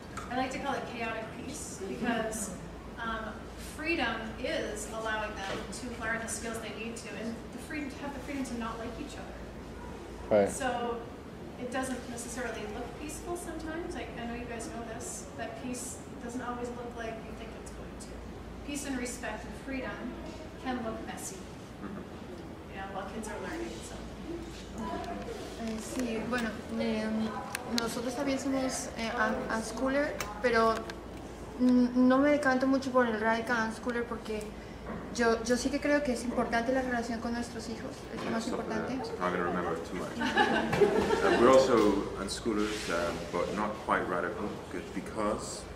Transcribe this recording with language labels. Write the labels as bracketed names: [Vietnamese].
[English] I like to call it chaotic peace, because freedom is allowing them to learn the skills they need to, and have the freedom to not like each other. Right. So it doesn't necessarily look peaceful sometimes. Like, I know you guys know this, that peace doesn't always look like you think. Peace and respect and freedom can look messy. Yeah, while kids are learning, so. [Spanish] Sí, bueno, nosotros también somos unschooler, pero no me decanto mucho por el radical unschooler porque yo sí que creo que es importante la relación con nuestros hijos, es más importante. [English] I'm going to remember it too much. We're also unschoolers, but not quite radical, because.